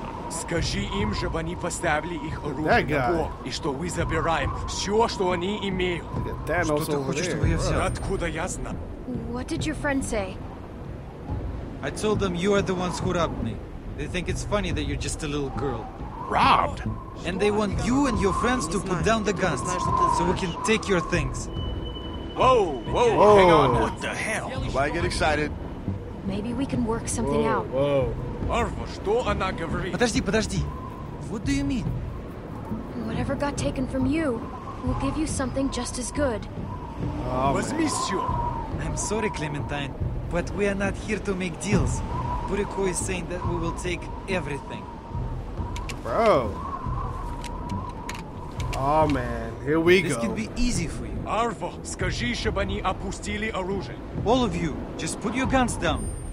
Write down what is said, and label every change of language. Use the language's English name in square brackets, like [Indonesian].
[Russian] Скажи им, чтобы они поставили их оружие [English] that guy. [Russian] На пол, и что вы забираем все, что они имеют. Что ты хочешь, чтобы я взял? Откуда я знаю? [English] What did your friend say? I told them you are the ones who robbed me. They think it's funny that you're just a little girl. Robbed? And they want you and your friends to put down the guns, so we can take your things. Whoa. Hang on. What the hell? Why get excited? Maybe we can work something out. Whoa. [Russian] Арва, что она говорит? Подожди. [English] What do you mean? Whatever got taken from you, we'll give you something just as good. [Russian] Возмещу. [English] I'm sorry, Clementine, but we are not here to make deals. Buriko is saying that we will take everything. Bro. Oh, man. Here we this go. This could be easy for you. [Russian] Арво, скажи, чтобы они опустили оружие. [English] All of you, just put your guns down.